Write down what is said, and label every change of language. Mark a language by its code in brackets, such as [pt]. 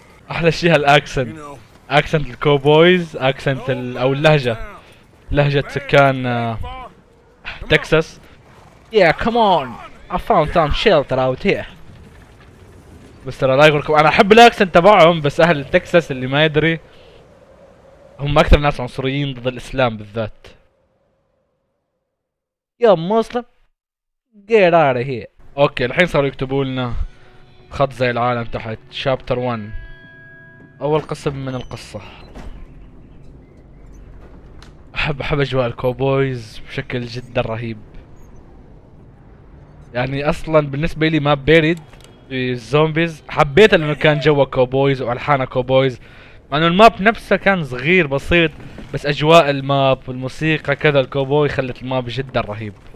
[ar] أحلى شيء هالأكسنت، أكسنت الكوبويز، أكسنت أو اللهجة، لهجة سكان تكساس. [en] Yeah come on I found some shelter out here. [ar] بس ترى لا يقولكم أنا أحب الأكسنت تبعهم، بس أهل تكساس اللي ما يدري هم أكثر ناس عنصريين ضد الإسلام بالذات. يا مسلم [en] get out of here. [ar] اوكي الحين صاروا يكتبوا لنا خط زي العالم تحت. شابتر 1 اول قسم من القصه. احب اجواء الكوبويز بشكل جدا رهيب. يعني اصلا بالنسبه لي ما بيريد في الزومبيز حبيت انه كان جوا كوبويز والحانه كوبويز، مع انه الماب نفسه كان صغير بسيط، بس اجواء الماب والموسيقى كذا الكوبوي خلت الماب جدا رهيب.